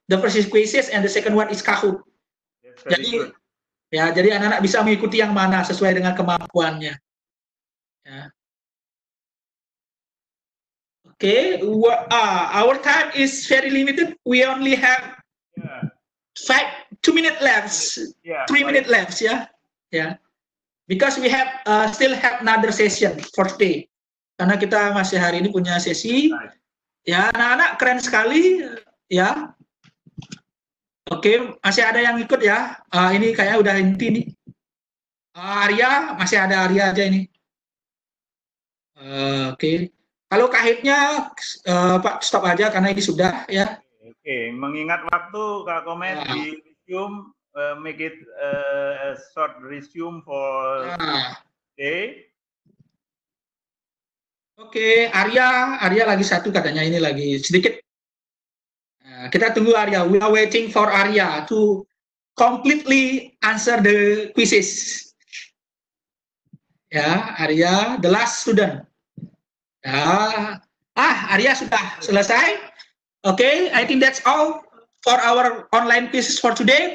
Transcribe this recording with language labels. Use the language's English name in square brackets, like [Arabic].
[English] The first is quizzes and the second one is Kahoot. [Indonesian] Jadi [English] good. [Indonesian] Ya, jadi anak-anak bisa mengikuti yang mana sesuai dengan kemampuannya. Ya. [English] Okay, our time is very limited. We only have two minutes left. Yeah, 3 minutes left. Yeah, yeah. Because we have still have another session for today. [Indonesian] Karena kita masih hari ini punya sesi. [English] Right. [Indonesian] Ya, anak-anak keren sekali. Ya. Oke, masih ada yang ikut ya? Ini kayaknya udah inti nih. Arya, masih ada Arya aja ini. Oke. Kalau kahitnya Pak stop aja karena ini sudah ya. Oke, mengingat waktu Kak Komet di resume [English] make it a short resume for day. [Indonesian] Oke, Arya lagi satu katanya ini lagi sedikit. Kita tunggu Arya. [English] We are waiting for Arya to completely answer the quizzes. [Indonesian] Ya, Arya, [English] the last student. [Indonesian] Ya, Arya sudah selesai. [English] Oke, okay, I think that's all for our online quizzes for today.